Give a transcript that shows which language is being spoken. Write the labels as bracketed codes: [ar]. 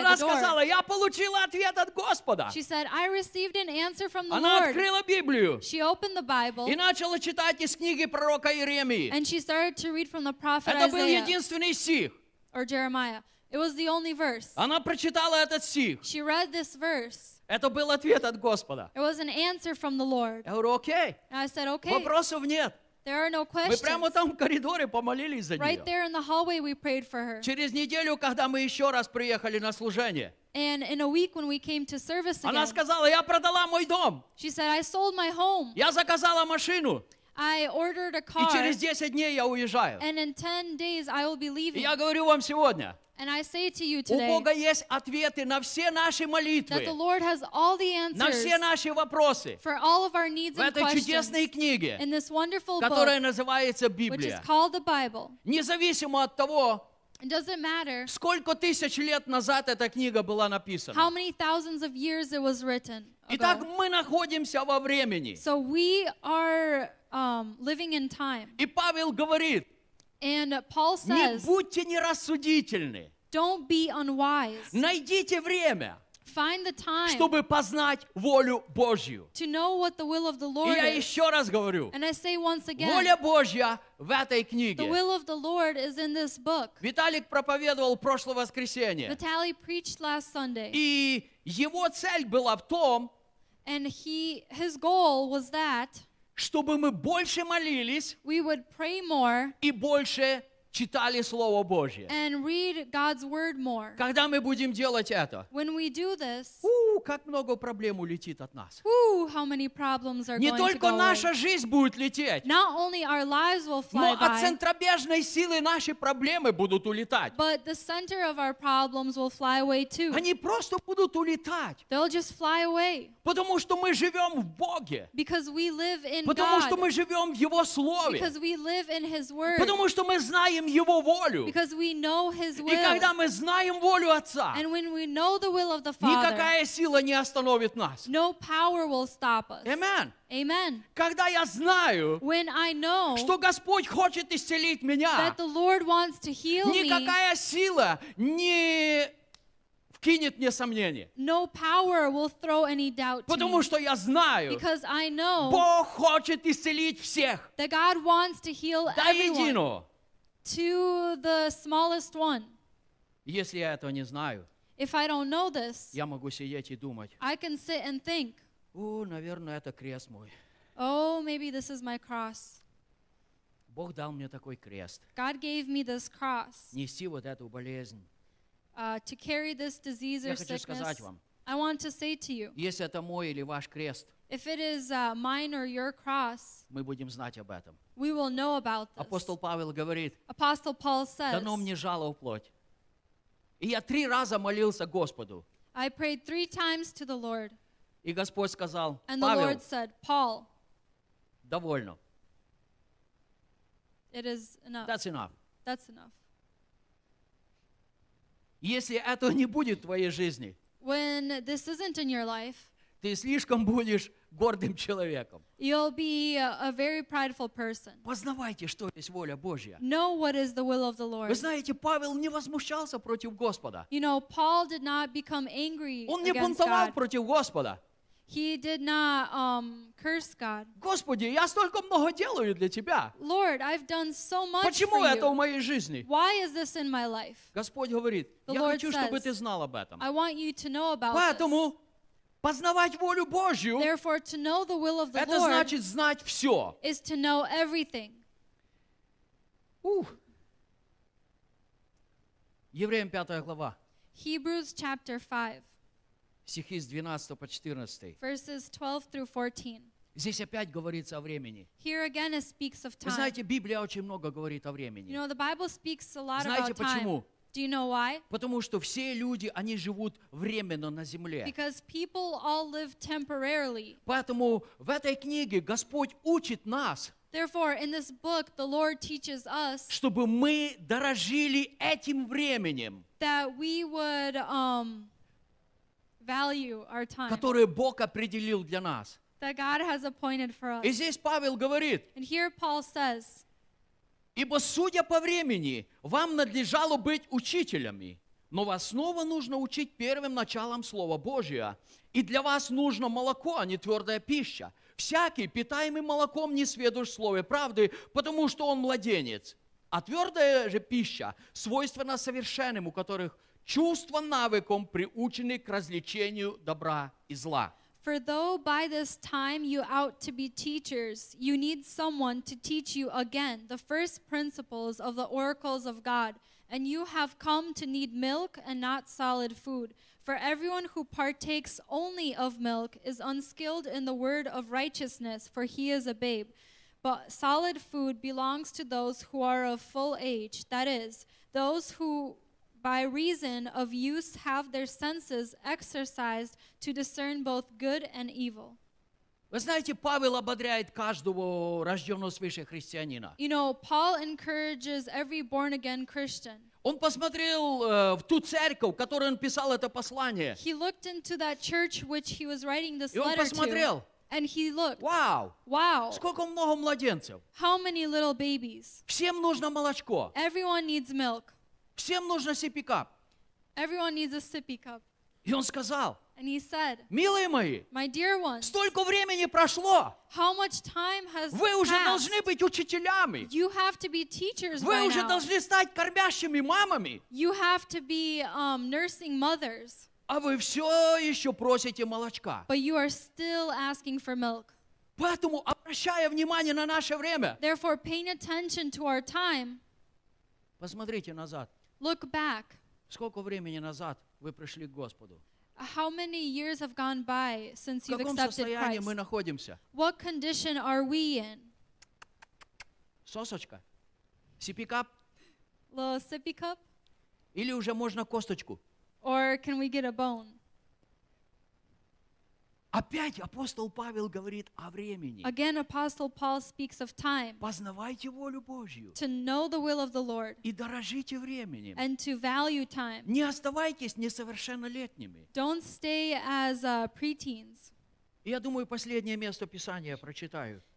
[ru] Она [en] the door. [ru] Сказала, я получила ответ от Господа. [en] She said, I received an answer from the [ru] Она [en] Lord. [ru] Открыла Библию. [en] She opened the Bible. [ru] И начала читать из книги пророка Иеремии. [en] And she started to read from the prophet [ru] Это был [en] Isaiah, [ru] единственный стих. [en] Or Jeremiah. It was the only verse. [ru] Она прочитала этот стих. [en] She read this verse. [ru] Это был ответ от Господа. [en] It was an answer from the Lord. [ru] Я говорю, окей. [en] I said, okay. [ru] Вопросов нет. [en] There are no questions. [ru] Мы прямо там в коридоре помолились за нее. [en] Right there in the hallway we prayed for her. [ru] Через неделю, когда мы еще раз приехали на служение, [en] and in a week when we came to service again, [ru] она сказала, я продала мой дом. [en] She said, I sold my home. [ru] Я заказала машину. [en] I ordered a car. [ru] И через 10 дней я уезжаю. [en] And in 10 days I will be leaving. [ru] И я говорю вам сегодня, [en] and I say to you today, [ru] у Бога есть ответы на все наши молитвы, [en] that the Lord has all the answers, [ru] на все наши вопросы, [en] for all of our needs [ru] в этой чудесной книге, [en] in this wonderful book, [ru] которая называется Библия, [en] which is called the Bible. [ru] Независимо от того, [en] it doesn't matter, [ru] сколько тысяч лет назад эта книга была написана, [en] how many thousands of years it was written ago. [ru] Итак, мы находимся во времени. [en] So we are living in time. [ru] И Павел говорит, [en] and Paul says, [ru] не будьте нерассудительны. [en] Don't be unwise. [ru] Найдите время, [en] find the time, [ru] чтобы познать волю Божью. [en] To know what the will of the Lord [ru] И я еще раз говорю, [en] and I say once again, [ru] воля Божья в этой книге. [en] The will of the Lord is in this book. [ru] Виталик проповедовал прошлое воскресенье. [en] Vitaly preached last Sunday. [ru] И его цель была в том, [en] and his goal was that, [ru] чтобы мы больше молились, [en] we would pray more, [ru] и больше читали Слово Божье. [en] And read God's word more. [ru] Когда мы будем делать это, [en] when we do this, [ru] как много проблем улетит от нас. [en] How many problems are [ru] Не [en] going [ru] только [en] to go [ru] наша [en] away. [ru] Жизнь будет лететь, [en] not only our lives will fly [ru] но [en] by, [ru] от центробежной силы наши проблемы будут улетать. [en] But the center of our problems will fly away too. [ru] Они просто будут улетать. [en] They'll just fly away. [ru] Потому что мы живем в Боге. [en] Because we live in [ru] Потому [en] God. [ru] Что мы живем в Его Слове. [en] Because we live in His word. [ru] Потому что мы знаем Его волю. [en] Because we know His will. [ru] И когда мы знаем волю Отца, [en] and when we know the will of the Father, [ru] никакая сила не остановит нас. [en] No power will stop us. Amen. Amen. [ru] Когда я знаю, [en] when I know, [ru] что Господь хочет исцелить меня, [en] that the Lord wants to heal me, [ru] никакая сила не кинет мне сомнение. [en] No power will throw any doubt to [ru] Потому [en] me. [ru] Что я знаю, [en] because I know, [ru] Бог хочет исцелить всех. [en] That God wants to heal everyone. To the smallest one. [ru] Если я этого не знаю, [en] if I don't know this, [ru] я могу сидеть и думать. [en] I can sit and think. [ru] О, наверное, это крест мой. [en] Oh, maybe this is my cross. [ru] Бог дал мне такой крест. [en] God gave me this cross. [ru] Нести вот эту болезнь. [en] To carry this disease or sickness. I want to say to you. [ru] Если это мой или ваш крест. [en] If it is mine or your cross. [ru] Мы будем знать об этом. [en] We will know about this. [ru] Апостол Павел говорит. [en] Apostle Paul says. [ru] Дано мне жало в плоть. И я три раза молился Господу. [en] I prayed three times to the Lord. [ru] И Господь сказал, Павел, [en] and the Lord said, Paul, [ru] довольно. [en] It is enough. That's enough. That's enough. [ru] Если этого не будет в твоей жизни, [en] when this isn't in your life, [ru] ты слишком будешь гордым человеком. [en] You'll be a very prideful person. [ru] Познавайте, что есть воля Божья. [en] Know what is the will of the Lord. [ru] Вы знаете, Павел не возмущался против Господа. [en] You know, Paul did not become angry against God. [ru] Он не бунтовал против Господа. [en] He did not curse God. [ru] Господи, я столько много делаю для Тебя. [en] Lord, I've done so much [ru] Почему [en] for you. [ru] Почему это в моей жизни? [en] Why is this in my life? [ru] Господь говорит, [en] the [ru] я [en] Lord [ru] хочу, [en] says, [ru] чтобы ты знал об этом. [en] I want you to know about [ru] Поэтому [en] this. [ru] Познавать волю Божью, [en] therefore, to know the will of the [ru] это [en] Lord [ru] значит знать все. [en] Is to know everything. [ru] Евреям 5 глава. [en] Hebrews chapter 5. [ru] Стихи с 12 по 14. [en] Verses 12 through 14. [ru] Здесь опять говорится о времени. [en] Here again it speaks of time. [ru] Вы знаете, Библия очень много говорит о времени. [en] You know, the Bible speaks a lot [ru] знаете, [en] about [ru] почему? [en] Time. Do you know why? [ru] Потому что все люди, они живут временно на земле. [en] Because people all live temporarily. [ru] Поэтому в этой книге Господь учит нас. [en] Therefore, in this book, the Lord teaches us. [ru] Чтобы мы дорожили этим временем. [en] That we would value our time. [ru] Которое Бог определил для нас. [en] That God has appointed for us. [ru] И здесь Павел говорит. [en] And here Paul says. [ru] Ибо, судя по времени, вам надлежало быть учителями, но вас снова нужно учить первым началом Слова Божия, и для вас нужно молоко, а не твердая пища. Всякий, питаемый молоком, не сведущ в слове правды, потому что он младенец. А твердая же пища свойственна совершенным, у которых чувства навыком приучены к различению добра и зла. [en] For though by this time you ought to be teachers, you need someone to teach you again the first principles of the oracles of God, and you have come to need milk and not solid food. For everyone who partakes only of milk is unskilled in the word of righteousness, for he is a babe. But solid food belongs to those who are of full age, that is, those who by reason of use have their senses exercised to discern both good and evil. [ru] Вы знаете, Павел ободряет каждого рожденного свыше христианина. [en] You know, Paul encourages every born-again Christian. [ru] Он посмотрел в ту церковь, в которой он писал это послание. [en] He looked into that church which he was writing this letter to. [ru] И он посмотрел. [en] And he looked. Wow. Wow. [ru] Сколько много младенцев. [en] How many little babies. [ru] Всем нужно молочко. [en] Everyone needs milk. [ru] Всем нужно sippy cup. [en] Everyone needs a sippy cup. [ru] И он сказал, [en] and he said, [ru] милые мои, [en] my dear ones, [ru] столько времени прошло, [en] how much time has passed? [ru] Вы уже должны быть учителями. [en] You have to be teachers [ru] Вы [en] by [ru] уже [en] now. [ru] Должны стать кормящими мамами. [en] You have to be nursing mothers. [ru] А вы все еще просите молочка. [en] But you are still asking for milk. [ru] Поэтому, обращая внимание на наше время, [en] therefore, paying attention to our time, [ru] посмотрите назад. [en] Look back. [ru] Сколько времени назад вы пришли к Господу? [en] How many years have gone by since you've accepted Christ? [ru] В каком состоянии мы находимся? [en] What condition are we in? [ru] Сосочка? [en] Sippy cup? Little sippy cup? [ru] Или уже можно косточку? [en] Or can we get a bone? [ru] Опять апостол Павел говорит о времени. [en] Again, Apostle Paul speaks of time. [ru] Познавайте волю Божью. [en] To know the will of the Lord. [ru] И дорожите временем. [en] And to value time. [ru] Не оставайтесь несовершеннолетними. [en] Don't stay as preteens. [ru] Я думаю, последнее место Писания прочитаю.